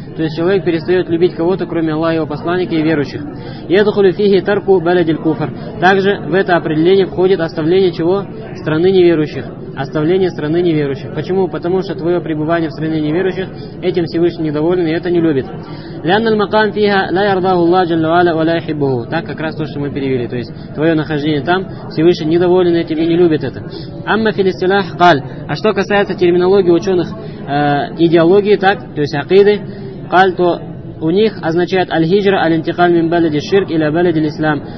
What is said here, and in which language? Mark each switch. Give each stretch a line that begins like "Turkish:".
Russian: То есть человек перестает любить кого-то, кроме Аллаха и его посланника и верующих.
Arabic: يَدْخُلُ فِيهِ تَرْكُ بَلَدِ الْكُفَرِ.
Russian: Также в это определение входит оставление чего? Страны неверующих. Оставление страны неверующих. Почему? Потому что твое пребывание в стране неверующих, этим Всевышний недоволен и это не любит.
Arabic: لأن المقام فيها لا يرضاه الله جل وعلا ولا يحبه.
Russian: Так как раз то, что мы перевели. То есть твое нахождение там, Всевышний недоволен этим и не любит это.
Arabic: أما في الاصطلاح قال.
Russian: А что касается терминологии ученых, идеологии, так, то есть акиды, قال, то у них означает
Arabic: аль-хиджра аль-интикаль мин балади ширк иля балади ислам.